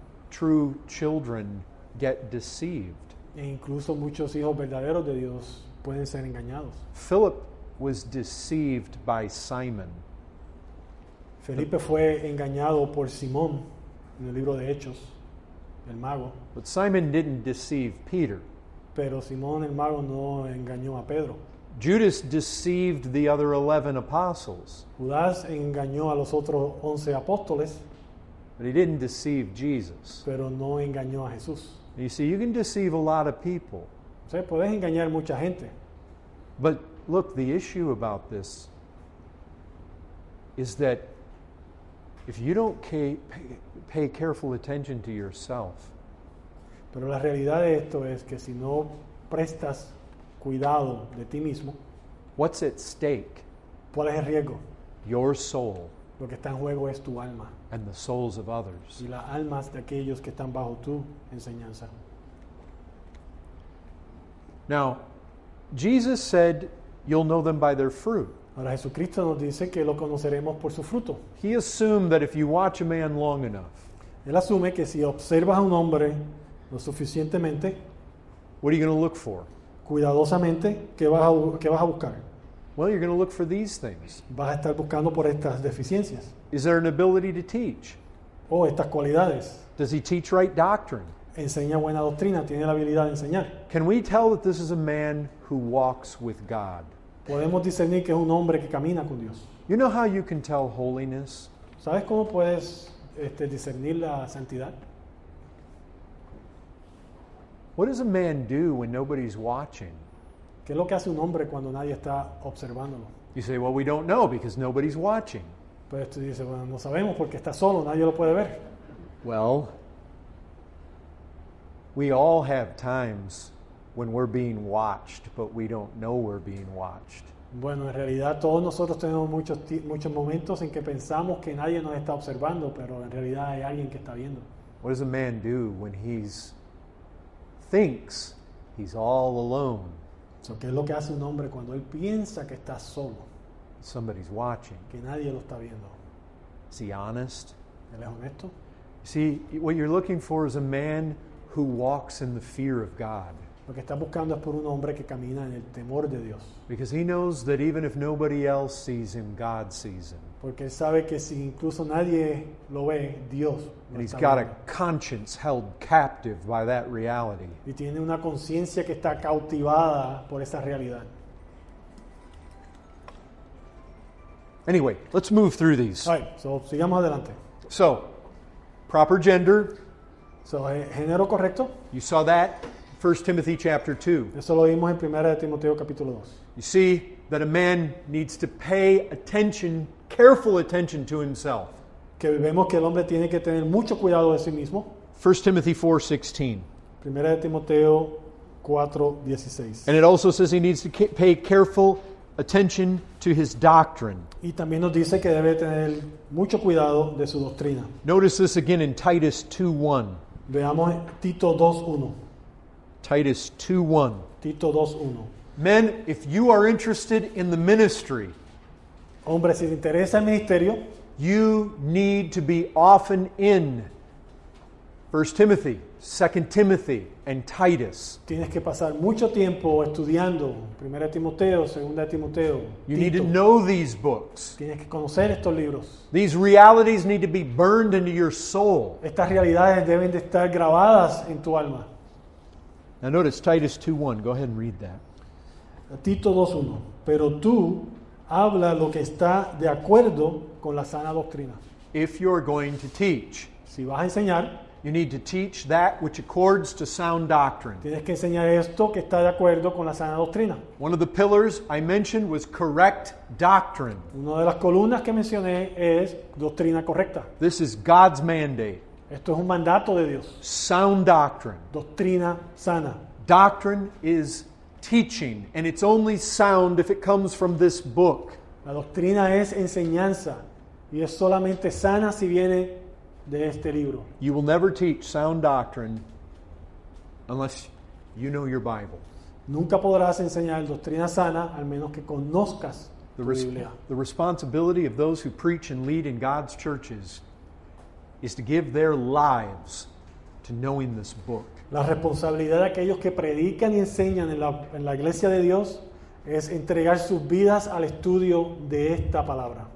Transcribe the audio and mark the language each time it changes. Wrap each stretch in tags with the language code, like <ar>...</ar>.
<en>true children get deceived.</en> <es>E incluso muchos hijos verdaderos de Dios pueden ser engañados.</es> <en>Philip was deceived by Simon.</en> <es>Felipe fue engañado por Simón en el libro de Hechos, el mago.</es> <en>But Simon didn't deceive Peter.</en> <es>Pero Simón el mago no engañó a Pedro.</es> <en>Judas deceived the other 11 apostles.</en> <es>Judas engañó a los otros 11 apóstoles.</es> <en>But he didn't deceive Jesus.</en> <es>Pero no engañó a Jesús.</es> <en>You see, you can deceive a lot of people.</en> <es>Sí, puedes engañar mucha gente.</es> <en>But look, the issue about this is that if you don't pay careful attention to yourself.</en> <es>Pero la realidad de esto es que si no prestas cuidado de ti mismo.</es> <en>What's at stake?</en> <es>¿Cuál es el riesgo?</es> <en>Your soul.</en> <es>Lo que está en juego es tu alma.</es> <en>And the souls of others.</en> <es>Y las almas de aquellos que están bajo tu enseñanza.</es> <en>Now, Jesus said, you'll know them by their fruit.</en> <es>Ahora Jesucristo nos dice que lo conoceremos por su fruto.</es> <en>He assumed that if you watch a man long enough.</en> <es>Él asume que si observas a un hombre lo suficientemente.</es> <en>What are you going to look for?</en> <es>Cuidadosamente, ¿qué vas a buscar?</es> <en>Well, you're going to look for these things.</en> <es>Vas a estar buscando por estas deficiencias.</es> <en>Is there an ability to teach?</en> <es>Oh, estas cualidades.</es> <en>Does he teach right doctrine?</en> <es>Enseña buena doctrina, tiene la habilidad de enseñar.</es> <en>Can we tell that this is a man who walks with God?</en> <es>Podemos discernir que es un hombre que camina con Dios.</es> <en>You know how you can tell holiness?</en> <es>¿Sabes cómo puedes discernir la santidad?</es> <en>What does a man do when nobody's watching?</en> <es>¿Qué es lo que hace un hombre cuando nadie está observándolo?</es> <en>You say, well, we don't know because nobody's watching.</en> <es>Pues tú dices, bueno, no sabemos porque está solo, nadie lo puede ver.</es> <en>Well, we all have times when we're being watched, but we don't know we're being watched.</en> <es>Bueno, en realidad todos nosotros tenemos muchos momentos en que pensamos que nadie nos está observando, pero en realidad hay alguien que está viendo.</es> <en>What does a man do when he's thinks he's all alone?</en> <es>So, ¿qué es lo que hace un hombre cuando él piensa que está solo?</es> <en>Somebody's watching.</en> <es>Que nadie lo está viendo.</es> <en>Is he honest?</en> <es>¿Él es honesto?</es> <en>See, what you're looking for is a man who walks in the fear of God.</en> <es>Lo que está buscando es por un hombre que camina en el temor de Dios.</es> <en>Because he knows that even if nobody else sees him, God sees him.</en> <es>Porque él sabe que si incluso nadie lo ve, Dios lo está.</es> <en>And he's got a conscience held captive by that reality.</en> <es>Y tiene una conciencia que está cautivada por esa realidad.</es> <en>Anyway, let's move through these. All right, so</en> <es>sigamos adelante.</es> <en>So, proper gender.</en> <es>So, género correcto.</es> <en>You saw that. 1 Timothy chapter 2.</en> <es>Eso lo vimos en 1 Timoteo capítulo 2.</es> <en>You see that a man needs to pay attention, careful attention to himself.</en> <es>Que vemos que el hombre tiene que tener mucho cuidado de sí mismo.</es> <en>1 Timothy 4:16.</en> <es>1 Timoteo 4:16.</es> <en>And it also says he needs to pay careful attention to his doctrine.</en> <es>Y también nos dice que debe tener mucho cuidado de su doctrina.</es> <en>Notice this again in Titus 2:1.</en> <es>Veamos Tito 2:1.</es> <en>Titus 2:1.</en> <es>Tito 2:1.</es> <en>Men, if you are interested in the ministry,</en> <es>hombre, si te interesa el ministerio,</es> <en>you need to be often in 1 Timothy, 2 Timothy, and Titus.</en> <es>Tienes que pasar mucho tiempo estudiando 1 Timoteo, 2 Timoteo, Tito.</es> <en>You need to know these books.</en> <es>Tienes que conocer estos libros.</es> <en>These realities need to be burned into your soul.</en> <es>Estas realidades deben de estar grabadas en tu alma.</es> <en>Now notice Titus 2:1. Go ahead and read that.</en> <es>Tito 2:1. Pero tú habla lo que está de acuerdo con la sana doctrina.</es> <en>If you're going to teach,</en> <es>si vas a enseñar,</es> <en>you need to teach that which accords to sound doctrine.</en> <es>Tienes que enseñar esto que está de acuerdo con la sana doctrina.</es> <en>One of the pillars I mentioned was correct doctrine.</en> <es>Una de las columnas que mencioné es doctrina correcta.</es> <en>This is God's mandate.</en> <es>Esto es un mandato de Dios.</es> <en>Sound doctrine.</en> <es>Doctrina sana.</es> <en>Doctrine is teaching, and it's only sound if it comes from this book.</en> <es>La doctrina es enseñanza, y es solamente sana si viene de este libro.</es> <en>You will never teach sound doctrine unless you know your Bible.</en> <es>Nunca podrás enseñar doctrina sana al menos que conozcas tu Biblia.</es> <en>The responsibility of those who preach and lead in God's churches is to give their lives to knowing this book.</en> <es>La responsabilidad de aquellos que predican y enseñan en la iglesia de Dios es entregar sus vidas al estudio de esta palabra.</es>